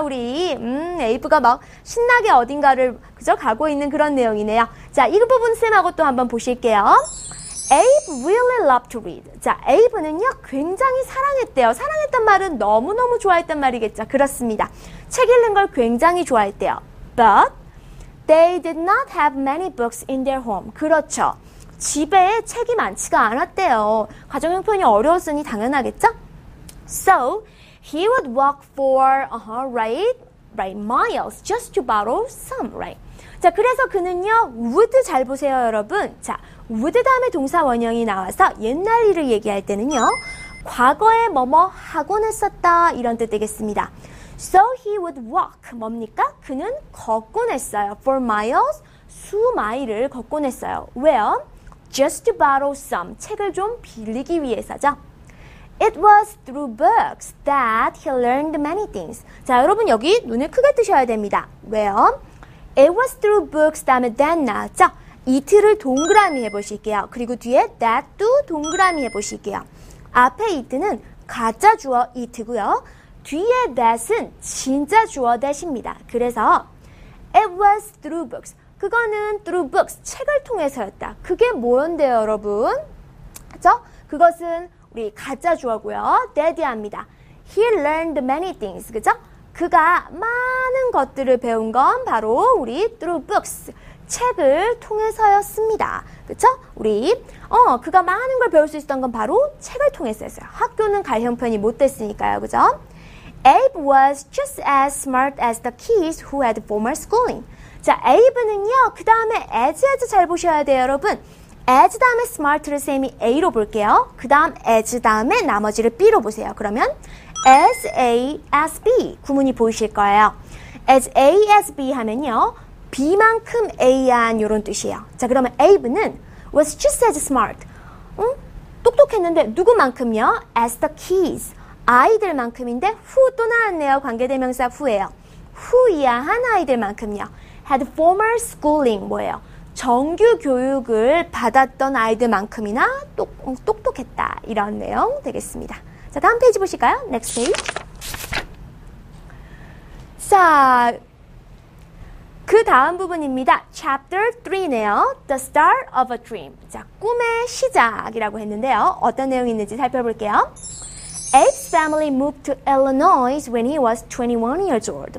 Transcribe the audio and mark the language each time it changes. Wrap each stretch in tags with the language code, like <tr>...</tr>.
<ko>우리 에이브가 막 신나게 어딘가를 그저 가고 있는 그런 내용이네요. 자, 이 부분 쌤하고 또 한번 보실게요.</ko> <en>Abe really loved to read.</en> <ko>자, Abe는요, 굉장히 사랑했대요. 사랑했단 말은 너무너무 좋아했단 말이겠죠. 그렇습니다. 책 읽는 걸 굉장히 좋아했대요.</ko> <en>But they did not have many books in their home.</en> <ko>그렇죠. 집에 책이 많지가 않았대요. 가정 형편이 어려웠으니 당연하겠죠?</ko> <en>So he would walk for, miles just to borrow some, right?</en> <ko>자, 그래서 그는요, would 잘 보세요, 여러분. 자, would 다음에 동사 원형이 나와서 옛날 일을 얘기할 때는요, 과거에 뭐뭐 하곤 했었다, 이런 뜻 되겠습니다.</ko> <en>So he would walk,</en> <ko>뭡니까? 그는 걷곤 했어요. For miles, 수 마일을 걷곤 했어요. 왜요?</ko> <en>Just to borrow some,</en> <ko>책을 좀 빌리기 위해서죠.</ko> <en>It was through books that he learned many things.</en> <ko>자, 여러분 여기 눈을 크게 뜨셔야 됩니다. 왜요?</ko> <en>It was through books,</en> <ko>다음에 that 나왔죠? it를 동그라미 해보실게요. 그리고 뒤에 that도 동그라미 해보실게요. 앞에 it는 가짜 주어 it고요. 뒤에 that은 진짜 주어 that입니다. 그래서</ko> <en>it was through books.</en> <ko>그거는 through books, 책을 통해서였다. 그게 뭐였대요, 여러분? 그죠? 그것은 우리 가짜 주어고요. that이 합니다.</ko> <en>He learned many things,</en> <ko>그죠? 그가 많은 것들을 배운 건 바로 우리 through books, 책을 통해서였습니다. 그쵸? 우리 그가 많은 걸 배울 수 있었던 건 바로 책을 통해서였어요. 학교는 갈 형편이 못 됐으니까요. 그쵸?</ko> <en>Abe was just as smart as the kids who had formal schooling.</en> <ko>자, Abe는요. 그 다음에 as 잘 보셔야 돼요, 여러분. as 다음에 smart를 쌤이 A로 볼게요. 그 다음 as 다음에 나머지를 B로 보세요. 그러면 as A as B 구문이 보이실 거예요. as A as B 하면요. B만큼 A한 이런 뜻이에요. 자, 그러면 Abe는</ko> <en>was just as smart.</en> <ko>응? 똑똑했는데 누구만큼요? as the kids. 아이들만큼인데 who 또 나왔네요. 관계대명사 who예요. who 이하한 아이들만큼요.</ko> <en>had formal schooling 뭐예요?</en> <ko>정규 교육을 받았던 아이들만큼이나 똑똑했다. 이런 내용 되겠습니다. 자, 다음 페이지 보실까요?</ko> <en>Next page.</en> <ko>자, 그 다음 부분입니다.</ko> <en>Chapter 3네요. The Start of a Dream.</en> <ko>자, 꿈의 시작이라고 했는데요. 어떤 내용이 있는지 살펴볼게요.</ko> <en>Abe's family moved to Illinois when he was 21 years old.</en>